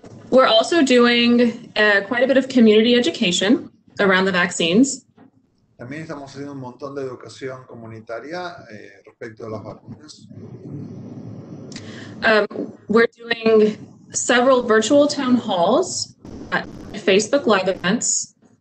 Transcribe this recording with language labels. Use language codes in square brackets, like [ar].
[en] We're also doing quite a bit of community education around the vaccines. [es] También estamos haciendo un montón de educación comunitaria respecto a las vacunas. [en] We're doing several virtual town halls at Facebook Live events.